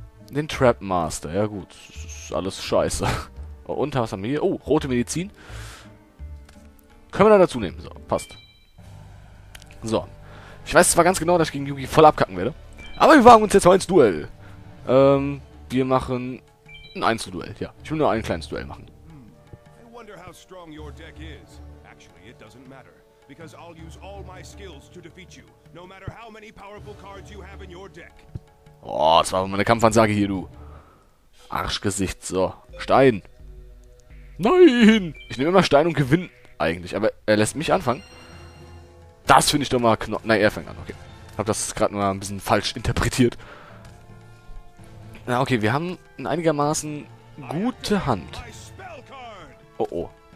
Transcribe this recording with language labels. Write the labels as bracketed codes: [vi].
[de] Den Trap Master, ja gut. Das ist alles scheiße. Und was haben wir hier? Oh, rote Medizin. Können wir da dazu nehmen? So, passt. So. Ich weiß zwar ganz genau, dass ich gegen Yugi voll abkacken werde. Aber wir wagen uns jetzt mal ins Duell. Wir machen ein Einzelduell. Ja, ich will nur ein kleines Duell machen. [en] I wonder how strong your deck is. Actually, it doesn't matter. Because I'll use all my skills to defeat you. No matter how many powerful cards you have in your deck. [de] Oh, das war meine Kampfansage hier, du. Arschgesicht, so. Stein. Nein! Ich nehme immer Stein und gewinne eigentlich. Aber er lässt mich anfangen. Das finde ich doch mal knapp. Nein, er fängt an, okay. Ich habe das gerade mal ein bisschen falsch interpretiert. Na, okay, wir haben eine einigermaßen gute Hand. Oh, oh.